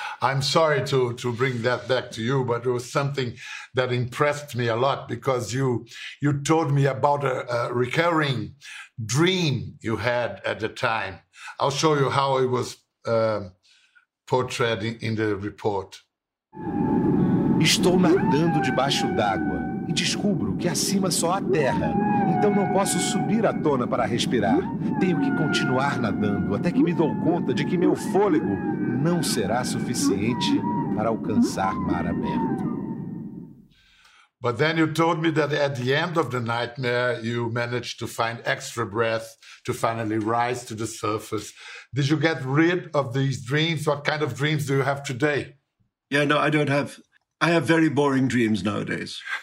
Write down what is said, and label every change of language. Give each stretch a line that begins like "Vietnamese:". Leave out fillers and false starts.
English: I'm sorry to bring that back to you, but it was something that impressed me a lot, because you told me about a recurring dream you had at the time. I'll show you how it was portrayed in the report.
Portuguese: Estou nadando debaixo d'água e descubro que acima só há terra. Então não posso subir à tona para respirar. Tenho que continuar nadando até que me dou conta de que meu fôlego não será suficiente para alcançar mar aberto.
English: But then you told me that at the end of the nightmare you managed to find extra breath to finally rise to the surface. Did you get rid of these dreams? What kind of dreams do you have today? Yeah, no, I don't have. I have very boring dreams nowadays.